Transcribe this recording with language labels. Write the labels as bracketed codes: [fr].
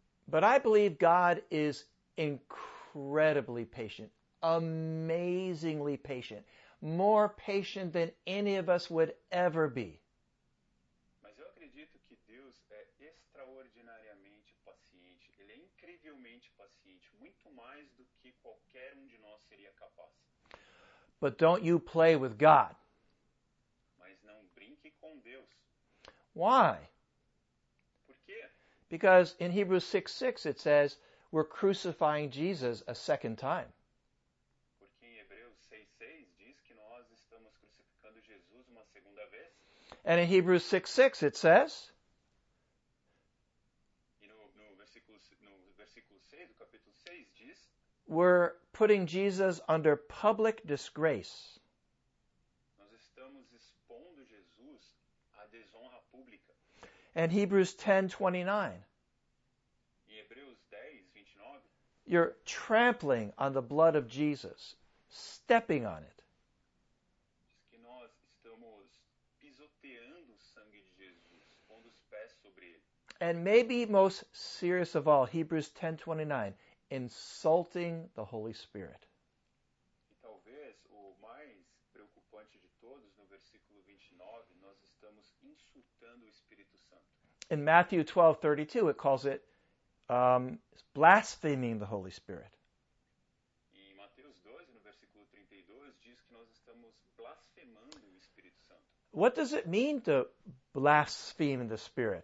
[en] But I believe God is incredibly patient, amazingly patient, more patient than any of us would ever be. [pt] Mas eu acredito que Deus é extraordinariamente paciente. Ele é incrivelmente paciente, muito mais do que qualquer um de nós seria capaz. [en] But don't you play with God. [pt] Mas não brinque com Deus. [en] Why? [pt] Por quê? [en] Because in Hebrews 6:6 it says we're crucifying Jesus a second time. [pt] Porque em Hebreus 6:6 diz que nós estamos crucificando Jesus uma segunda vez. [en] And in Hebrews 6:6 it says. [pt] E no versículo 6, do capítulo 6 diz. [en] We're putting Jesus under public disgrace. [pt] Nós estamos expondo Jesus à desonra pública. [en] And Hebrews 10:29. [pt] Em Hebreus 10:29. [en] You're trampling on the blood of Jesus, stepping on it. [pt] Diz que nós estamos pisoteando o sangue de Jesus, pondo os pés sobre ele. [en] And maybe most serious of all, Hebrews 10:29, insulting the Holy Spirit. [pt] E talvez o mais preocupante de todos, no versículo 29, nós estamos insultando o Espírito Santo. [en] In Matthew 12:32, it calls it blaspheming the Holy Spirit. [pt] Em Mateus 12, no versículo 32, diz que nós estamos blasfemando o Espírito Santo. [en] What does it mean to blaspheme the Spirit?